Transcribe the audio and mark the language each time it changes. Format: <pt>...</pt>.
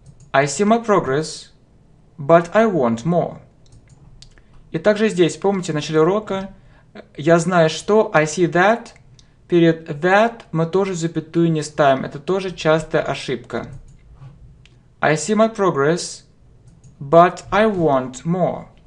<en>I see my progress, but I want more.</en> <ru>И также здесь, помните, в начале урока, я знаю что,</ru> <en>I see that.</en> <ru>Перед that мы тоже запятую не ставим. Это тоже частая ошибка.</ru> <en>I see my progress, but I want more.</en>